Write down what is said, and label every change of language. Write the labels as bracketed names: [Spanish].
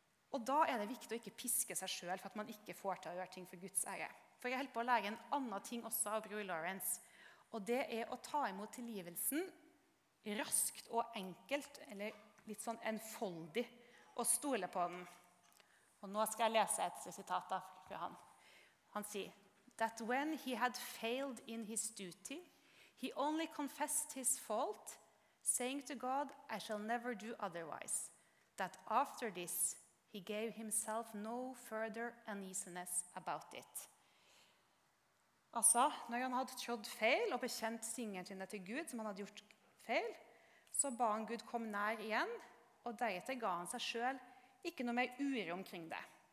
[Norwegian] Og da det viktig å ikke piske seg selv for at man ikke får til å gjøre ting for Guds ære. For jeg holder på å lære en annen ting også av bror Lawrence. Og det å ta imot tilgivelsen raskt og enkelt, eller litt sånn enfoldig, og stole på den. Og nå skal jeg lese et sitat fra han. Han sier, [English] that when he had failed in his duty, he only confessed his fault, saying to God, I shall never do otherwise. That after this, he gave himself no further uneasiness about it. [Norwegian] Altså, når han hadde trodd feil og bekjent syndene til Gud, som han hadde gjort feil, så ba han Gud komme nær igjen, og deretter ga han seg selv ikke noe mer uro omkring det.